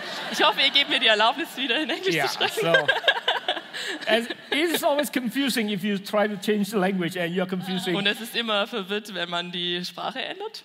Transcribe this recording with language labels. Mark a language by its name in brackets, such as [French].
[German] Ich hoffe, ihr gebt mir die Erlaubnis, wieder in Englisch zu sprechen. [English] So. It is always confusing if you try to change the language and you're confusing. [German] Und es ist immer verwirrt, wenn man die Sprache ändert.